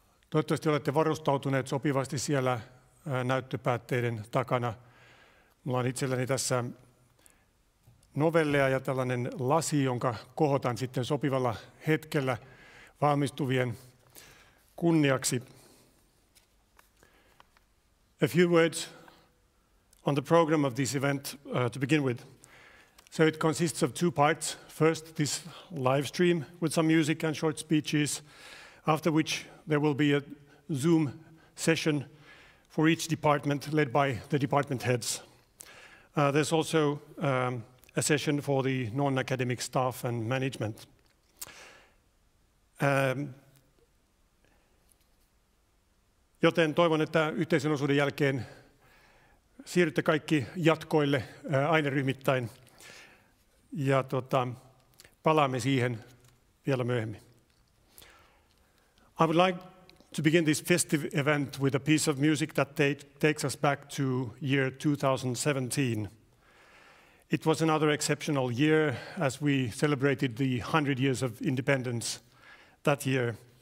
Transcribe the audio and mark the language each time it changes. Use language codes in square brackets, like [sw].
[fi] Toivottavasti olette varustautuneet sopivasti siellä näyttöpäätteiden takana. Mulla on itselläni tässä novelleja ja tällainen lasi, jonka kohotan sitten sopivalla hetkellä valmistuvien kunniaksi. [en] A few words on the program of this event to begin with. So it consists of two parts. First, this live stream with some music and short speeches, after which there will be a Zoom session for each department led by the department heads. There's also a session for the non-academic staff and management. [fi] Joten toivon, että yhteisen osuuden jälkeen siirrytte kaikki jatkoille aineryhmittäin ja palaamme siihen vielä myöhemmin. [en] I would like to begin this festive event with a piece of music that takes us back to year 2017. It was another exceptional year as we celebrated the 100 years of independence that year.